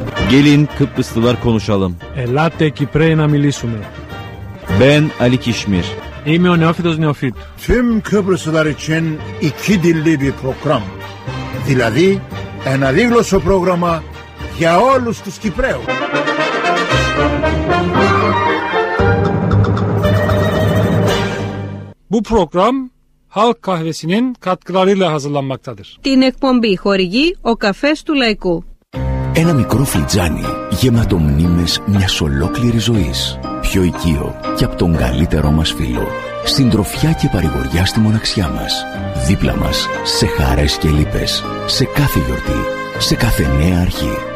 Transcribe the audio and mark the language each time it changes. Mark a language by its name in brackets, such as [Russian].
[Turkish] Gelin Kıbrıslılar konuşalım. [Greek] Ελάτε Κυπρέοι να μιλήσουμε. [Turkish] Ben Ali Kişmir. [Greek] Είμαι ο Νεόφιτος Νεόφιτ. [Turkish] Tüm Kıbrıslılar için iki dilli bir program. [Greek] Δηλαδή, ένα δίγλωσσο πρόγραμμα για όλους τους Κυπρέους. [Turkish] Bu program Halk Kahvesi'nin katkılarıyla hazırlanmaktadır. [Greek] Την εκπομπή χορηγεί ο καφές του Λαϊκού. Ένα μικρό φλιτζάνι γεμάτο μνήμες μιας ολόκληρης ζωής. Πιο οικείο και από τον καλύτερό μας φίλο. Στην τροφιά και παρηγοριά στη μοναξιά μας. Δίπλα μας, σε χαρές και λύπες. Σε κάθε γιορτή, σε κάθε νέα αρχή.